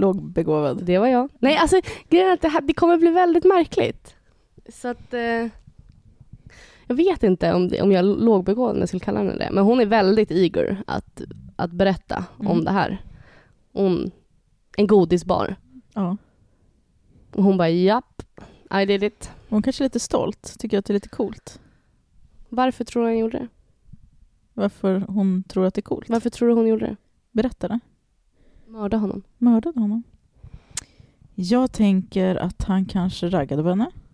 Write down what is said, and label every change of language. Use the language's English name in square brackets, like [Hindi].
[Swedish] Lågbegåvad. Det var jag. Nej, alltså grejen är att det kommer bli väldigt märkligt. Så att... jag vet inte om jag lågbegående skulle kalla henne det. Men hon är väldigt eager att berätta om det här. Hon, en godisbar. Ja. Och hon bara, japp, [English] I did it. [Swedish] Hon kanske är lite stolt. Tycker att det är lite coolt. Varför tror du hon gjorde det? Varför hon tror att det är coolt? Varför tror du hon gjorde det? Berätta det. Mörda honom. Mördade honom. Jag tänker att han kanske raggade på henne.